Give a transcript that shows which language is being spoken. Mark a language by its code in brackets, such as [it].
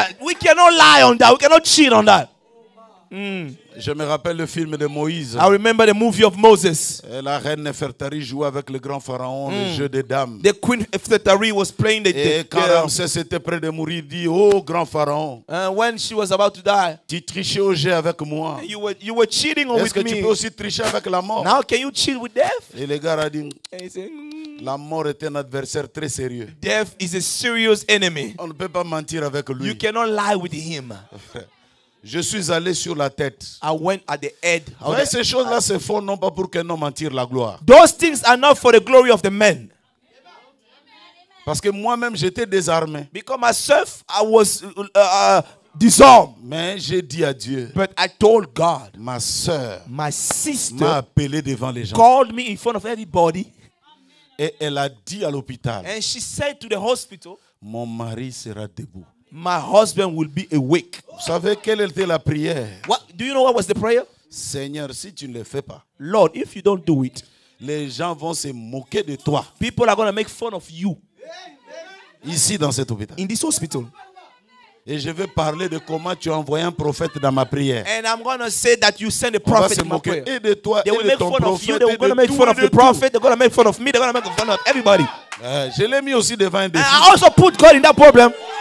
[en] We cannot lie on that. We cannot cheat on that. [fr] Je me rappelle le film de Moïse. [en] I remember the movie of Moses. [fr] Et la reine Nefertari jouait avec le grand pharaon le jeu des dames. [en] The queen Nefertari was playing the [fr] Et quand Ramsès était près de mourir, dit oh grand pharaon. [en] When she was about to die. [fr] Tu trichais au jeu avec moi. [en] You were cheating with me. [fr] Est-ce que tu peux aussi tricher avec la mort? [en] Now can you cheat with death? [fr] Et le gars a dit la mort est un adversaire très sérieux. [en] Death is a serious enemy. [fr] On ne peut pas mentir avec lui. [en] You cannot lie with him. [fr] Je suis allé sur la tête. [en] I went at the head. [fr] Mais ces choses-là se font non pas pour qu'un homme en tire la gloire. [en] Those things are not for the glory of the men. [fr] Parce que moi-même j'étais désarmé. [en] Because myself I was disarmed. [fr] Mais j'ai dit à Dieu. [en] But I told God. [fr] Ma sœur. [en] My sister. [fr] M'a appelé devant les gens. [en] Called me in front of everybody. [fr] Et elle a dit à l'hôpital. [en] And she said to the hospital. [fr] Mon mari sera debout. [en] My husband will be awake. [fr] Vous savez quelle était la prière? [en] What, do you know what was the prayer? [fr] Seigneur, si tu ne le fais pas. [en] Lord, if you don't do it. [fr] Les gens vont se moquer de toi. [en] People are going to make fun of you. [fr] Ici dans cet hôpital. [en] In this hospital. [fr] Et je vais parler de comment tu as envoyé un prophète dans ma prière. [en] And I'm going to say that you send a prophet in my prayer. [fr] Et de toi, [en] they will [fr] et [en] make [fr] de [en] fun [fr] prophète, [en] of you. They're going to make fun of the prophet. They're going to make fun of me. They're going to make fun of everybody. [fr] Je l'ai mis aussi devant un défi. [en] And I also put God in that problem.